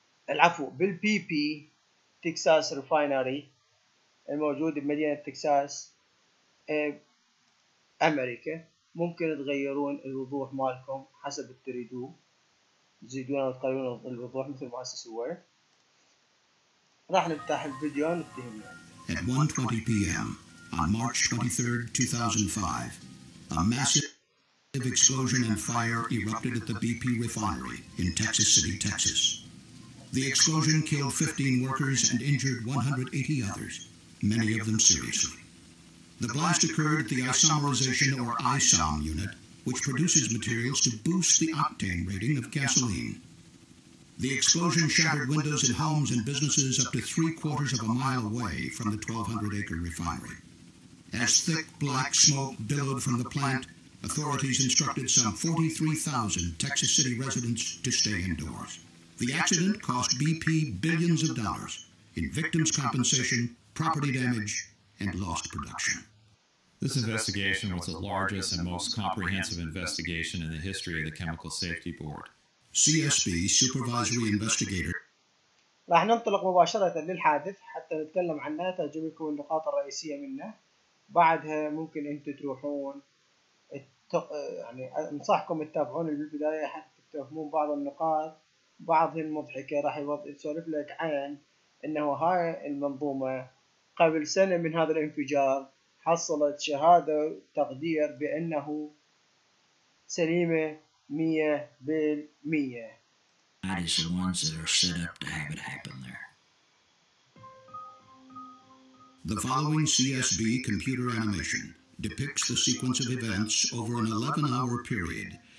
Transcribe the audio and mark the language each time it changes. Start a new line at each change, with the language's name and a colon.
Arabic: العفو بال PP تكساس ريفاينري الموجود بمدينة تكساس امريكا. ممكن تغيرون الوضوح مالكم حسب تريدوه، تزيدون او تقللون الوضوح مثل ما سويت. راح نفتح الفيديو ونبتدي.
English: At 1:20 p.m. on March 23, 2005, a massive explosion and fire erupted at the BP refinery in Texas City, Texas. The explosion killed 15 workers and injured 180 others, many of them seriously. The blast occurred at the isomerization or ISOM unit, which produces materials to boost the octane rating of gasoline. The explosion shattered windows in homes and businesses up to three quarters of a mile away from the 1,200-acre refinery. As thick black smoke billowed from the plant, authorities instructed some 43,000 Texas City residents to stay indoors. The accident cost BP billions of dollars in victims' compensation, property damage, and lost production. This investigation was the largest and most comprehensive investigation in the history of the Chemical Safety Board. CSB Supervisory Investigator.
Arabic: راح ننطلق مباشرة للحادث حتى نتكلم عنه، تعجبكم النقاط الرئيسية منه. بعدها ممكن أنتوا تروحون يعني أنصحكم تتابعون البداية حتى تفهمون بعض النقاط، بعضها المضحكة راح يسولف لك عن أنه هاي المنظومة قبل سنة من هذا الانفجار حصلت شهادة تقدير بأنه سليمة 100%.
English: That is the ones that are set up to have it happen there. The following CSB computer animation depicts the sequence of events over an 11-hour period.